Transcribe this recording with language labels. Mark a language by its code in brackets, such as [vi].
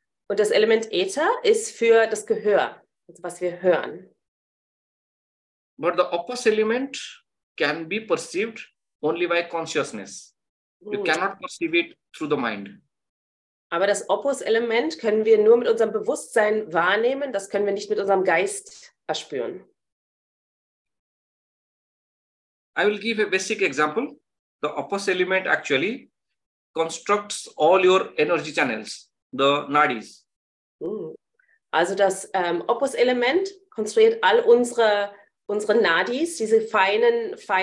[de] Und das Element Äther ist für das Gehör, also was wir hören. [en] But the opus element can be perceived only by consciousness. You cannot perceive it through the mind. [de] Aber das opus element können wir nur mit unserem Bewusstsein wahrnehmen, das können wir nicht mit unserem Geist erspüren. [en] I will give a basic example. The opus element actually constructs all your energy channels. The nadis. [de] Also das Opus-Element konstruiert all unsere Nadis, diese feinen